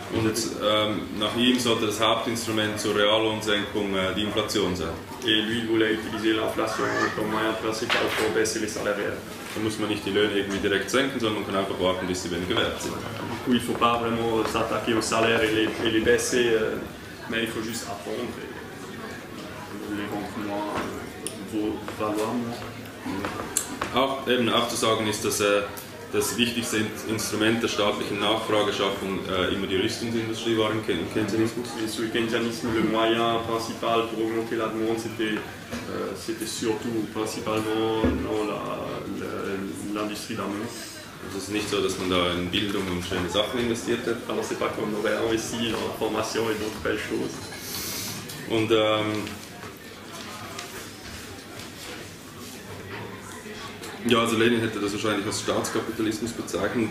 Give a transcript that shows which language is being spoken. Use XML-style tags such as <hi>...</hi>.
<de>Und jetzt, nach ihm sollte das Hauptinstrument zur Reallohnsenkung die Inflation sein.</de> <fr>Et lui voulait utiliser l'inflation comme moyen principal pour baisser les salaires réels.</fr> <de>Da muss man nicht die Löhne irgendwie direkt senken, sondern man kann einfach warten, bis sie weniger wert sind.</de> <fr>Du coup, il ne faut pas vraiment s'attaquer aux salaires et les baisser, mais il faut juste attendre et les rendre valoir moins.</fr> <de>Auch eben auch zu sagen ist, dass das wichtigste Instrument der staatlichen Nachfrageschaffung immer die Rüstungsindustrie war im Keynesianismus.</de> <fr>Et sur le Keynesianisme, le moyen principal pour augmenter la demande, c'était surtout principalement dans l'industrie d'armement.</fr> <de>Es ist nicht so, dass man da in Bildung und schöne Sachen investiert hat.</de> <fr>Alors c'est pas comme on aurait investi dans la formation et d'autres belles choses.</fr> <de>Und ja, also Lenin hätte das wahrscheinlich als Staatskapitalismus bezeichnet.</de>